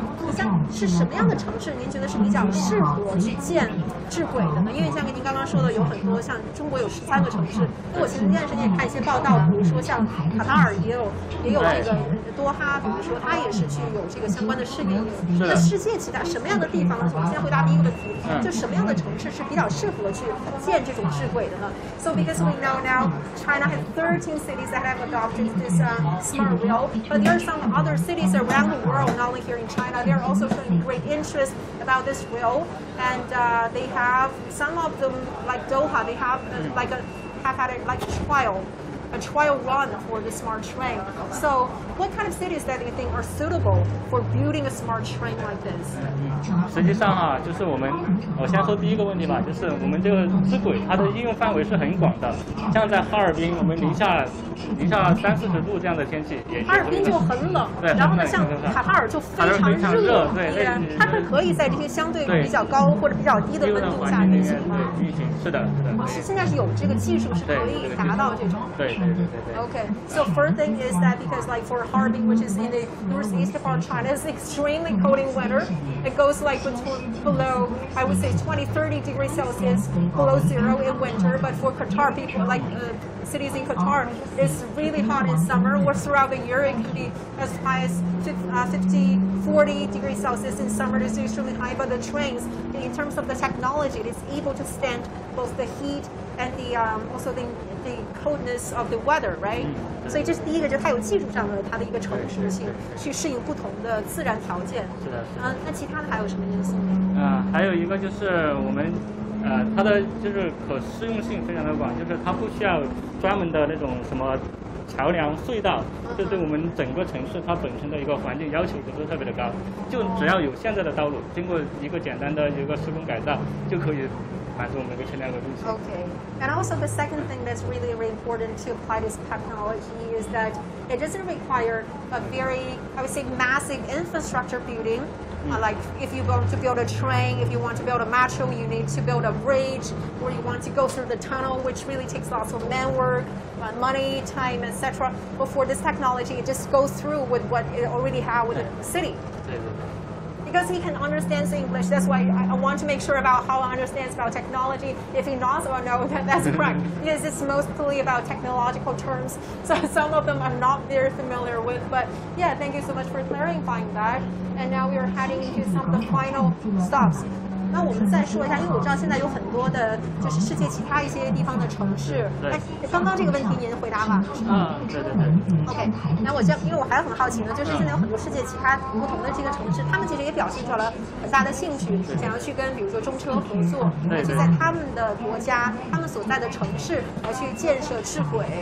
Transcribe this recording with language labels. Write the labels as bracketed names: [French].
[Chinese] 像是什么样的城市，您觉得是比较适合去建智轨的呢？因为像您刚刚说的，有很多像中国有13个城市，那我前段时间也看一些报道，比如说像卡塔尔也有那个多哈，比如说它也是具有这个相关的试点。那世界其他什么样的地方呢？我们先回答第一个问题，就什么样的城市是比较适合去建这种智轨的呢 [English] ？So because we know now China has 13 cities that have adopted this smart wheel, but there are some other cities around the world, not only here in China, they are also showing great interest about this wheel, and they have some of them like Doha. They have had a trial run for the smart train. So, what kind of cities that you think are suitable for building a smart train like this? [Chinese] 实际上啊，就是我先说第一个问题吧，就是我们这个智轨它的应用范围是很广的，像在哈尔滨，我们零下30-40度这样的天气也，哈尔滨就很冷，对，然后呢，像卡塔尔就非常热，对，它是可以在这些相对比较高或者比较低的温度下运行吗？对，运行是的。现在是有这个技术是可以达到这种，对。 [English] Okay, so first thing is that because like for Harbin, which is in the northeast of China, it's extremely cold in winter. It goes like below, I would say 20-30 degrees Celsius below zero in winter. But for Qatar people, like cities in Qatar, it's really hot in summer. Or throughout the year, it can be as high as 50-40 degrees Celsius in summer. It's extremely high. But the trains, in terms of the technology, it's able to stand both the heat and the also the coldness of the weather, right? [Chinese] 所以这是第一个，就它有技术上的它的一个成熟性，去适应不同的自然条件。是的。那其他的还有什么因素呢？还有一个就是我们。它的就是可适用性非常的广，就是它不需要专门的那种什么桥梁隧道，这对我们整个城市它本身的一个环境要求不是特别的高，就只要有现在的道路，经过一个简单的一个施工改造就可以满足我们一个车辆的需求。 [English] Okay, and also the second thing that's really, really important to apply this technology is that it doesn't require a very, I would say, massive infrastructure building. Like if you want to build a train, if you want to build a metro, you need to build a bridge, or you want to go through the tunnel, which really takes lots of manwork, money, time, etc. But for this technology, it just goes through with what it already has with the city. Because he can understand English, that's why I want to make sure about how he understands about technology. If he knows or knows, that's correct. Because it's mostly about technological terms, so some of them I'm not very familiar with. But yeah, thank you so much for clarifying that. And now we are heading into some of the final stops. [Chinese] 那我们再说一下，因为我知道现在有很多的就是世界其他一些地方的城市。对，刚刚这个问题您回答完了是吗？对对对。 OK， 那我因为我还很好奇呢，就是现在有很多世界其他不同的这个城市，他们其实也表现出了很大的兴趣，想要去跟比如说中车合作，去在他们的国家他们所在的城市来去建设智慧。